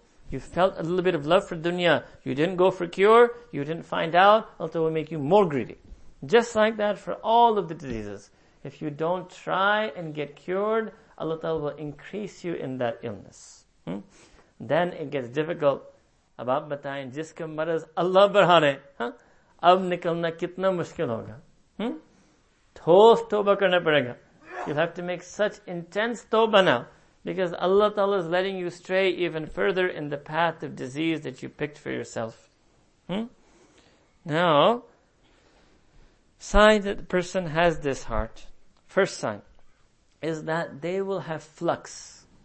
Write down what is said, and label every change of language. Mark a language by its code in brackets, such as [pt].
[en] You felt a little bit of love for dunya. You didn't go for cure. You didn't find out. Allah will make you more greedy. Just like that for all of the diseases. If you don't try and get cured, Allah will increase you in that illness. Then it gets difficult. [ur] اب اب بتائیں جسکا مرض اللہ بڑھانے۔ اب نکلنا کتنا مشکل ہوگا۔ ٹھوس توبہ کرنا پڑیگا۔ [en] You'll have to make such intense toba now. Because Allah Ta'ala is letting you stray even further in the path of disease that you picked for yourself. Now, sign that the person has this heart, first sign, is that they will have flux.